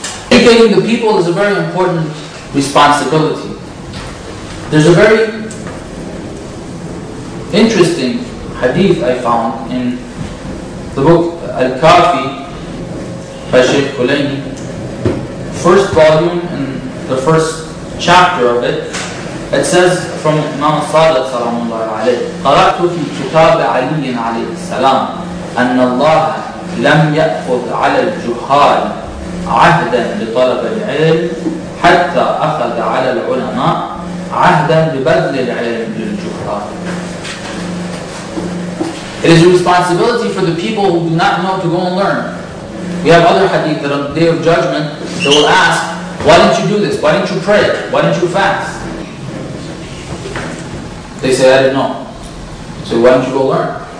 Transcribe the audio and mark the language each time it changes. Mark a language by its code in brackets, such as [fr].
[en] Educating the people is a very important responsibility. There's a very interesting hadith I found in the book Al-Kafi by Sheikh Kulaini. [ar] First volume and the first chapter of it, it says from Imam Sadiq salam Allah alayhi, قرأت في كتاب علي عليه السلام أن الله لم يأخذ على الجهال عهدا لطلب العلم حتى أخذ على العلماء عهدا لبذل العلم للجهال. [en] It is a responsibility for the people who do not know to go and learn. We have other hadith that on the day of judgment they will ask, why didn't you do this? Why didn't you pray? Why didn't you fast? They say, I didn't know. So why don't you go learn?